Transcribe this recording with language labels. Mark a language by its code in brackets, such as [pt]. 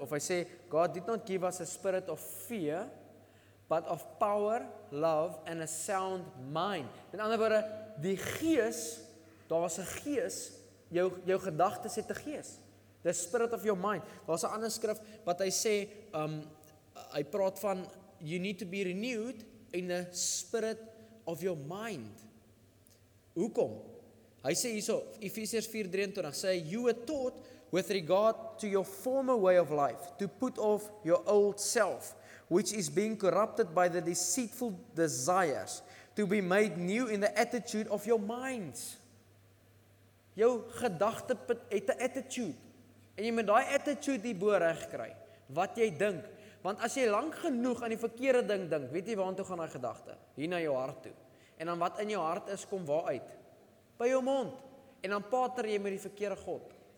[af] Of hy sê, [en] God did not give us a spirit of fear, but of power, love and a sound mind. [af] In ander woorde, die gees, daar is 'n gees, jou gedagtes het 'n gees. [en] The spirit of your mind. [af] Daar is 'n ander skrif wat hy sê, hy praat van, [en] you need to be renewed in the spirit of your mind. [af] Hoekom? Hy sê hierso, [en] Ephesians 4:23, sê, you were taught with regard to your former way of life, to put off your old self, which is being corrupted by the deceitful desires, to be made new in the attitude of your minds. [af] Jou gedagte het 'n attitude, en jy moet daai attitude hierbo reg kry, wat jy dink, want as jy lank genoeg aan die verkeerde ding dink, weet jy waartoe gaan daai gedagte, hier na jou hart toe, en dan wat in jou hart is, kom waar uit, by jou mond, en dan pater jy met die verkeerde God,